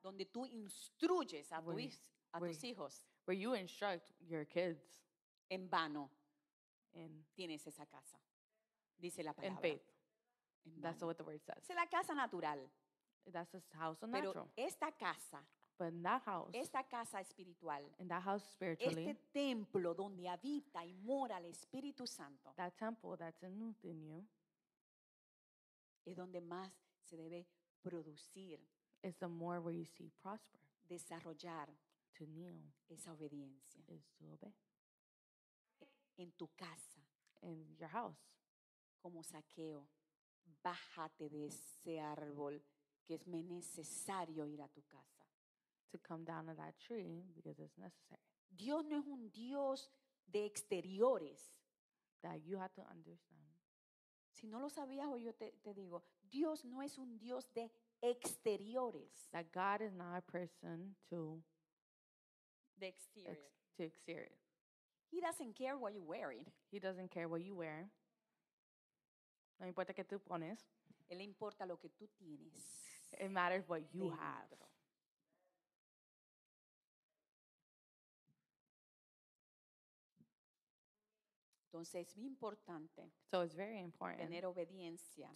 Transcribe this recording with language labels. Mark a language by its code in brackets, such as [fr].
[es] donde tú instruyes a, [en] where, [es] tu, a where, tus hijos, [en] where you instruct your kids, [es] en vano, [en] in, [es] tienes esa casa, dice la palabra. [en] In faith. [es] En vano. [en] That's what the word says. [es] Es la casa natural. [en] That's a house of [es] pero [en] natural. [es] Esta casa, [en] but in that house, [es] esta casa espiritual, [en] in that house spiritually, [es] este templo donde habita y mora el Espíritu Santo, [en] that temple that's in you, [es] es donde más se debe producir, [en] is the more where you see prosper, [es] desarrollar, [en] to kneel, [es] esa obediencia, [en] is to obey, [es] en tu casa, [en] in your house, [es] como Zaqueo, bájate de ese árbol, que es necesario ir a tu casa. [en] To come down to that tree because it's necessary. [es] Dios no es un Dios de exteriores. [en] That you have to understand. [es] Si no lo sabías, hoy yo te digo, Dios no es un Dios de exteriores. [en] That God is not a person to the exterior. To exterior. He doesn't care what you're wearing. He doesn't care what you wear. [es] No importa qué tú pones. Él le importa lo que tú tienes. [en] It matters what you [es] dentro [en] have. [es] Entonces es muy importante. [en] So it's very important. [es] Tener obediencia.